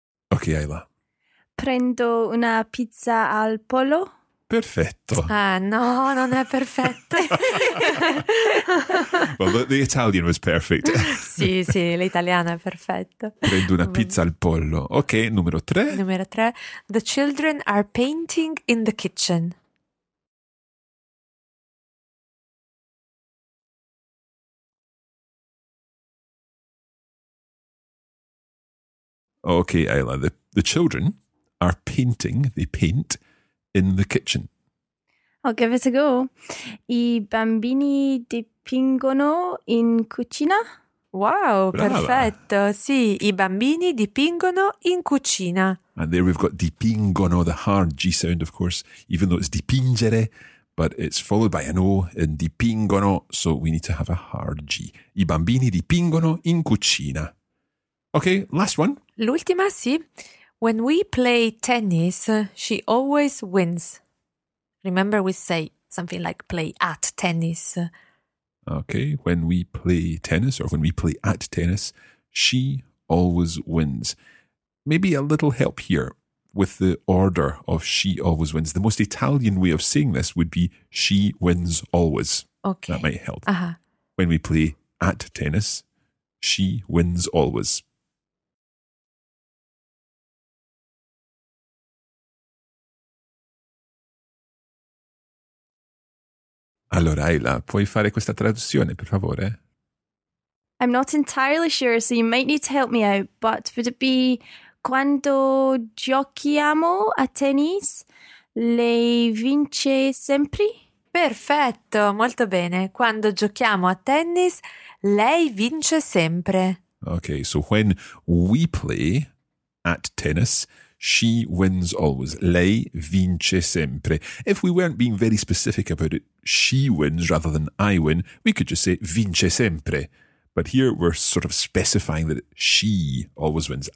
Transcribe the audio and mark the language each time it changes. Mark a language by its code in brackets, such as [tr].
[it] Ok, Ayla. Prendo una pizza al pollo. Perfetto. Ah, no, non è perfetto. [en] Well, the Italian was perfect. [it] Sì, sì, l'italiano è perfetto. Prendo una pizza al pollo. Ok, numero tre. Numero tre. [en] The children are painting in the kitchen. Okay, Ayla, the children are painting, they paint, in the kitchen. I'll give it a go. [it] I bambini dipingono in cucina. Wow, brava. Perfetto. Sì, I bambini dipingono in cucina. [en] And there we've got dipingono, the hard G sound, of course, even though it's dipingere, but it's followed by an O in dipingono, so we need to have a hard G. [it] I bambini dipingono in cucina. [en] Okay, last one. [it] L'ultima, sì. [en] When we play tennis, she always wins. Remember we say something like play at tennis. Okay, when we play tennis or when we play at tennis, she always wins. Maybe a little help here with the order of she always wins. The most Italian way of saying this would be she wins always. Okay. That might help. Uh-huh. When we play at tennis, she wins always. [it] Allora, Ayla, puoi fare questa traduzione, per favore? [en] I'm not entirely sure, so you might need to help me out, but would it be [it] quando giochiamo a tennis, lei vince sempre? Perfetto, molto bene. Quando giochiamo a tennis, lei vince sempre. [en] Okay, so when we play at tennis, she wins always. [it] Lei vince sempre. [en] If we weren't being very specific about it, she wins rather than I win, we could just say [it] vince sempre. [en] But here we're sort of specifying that she always wins.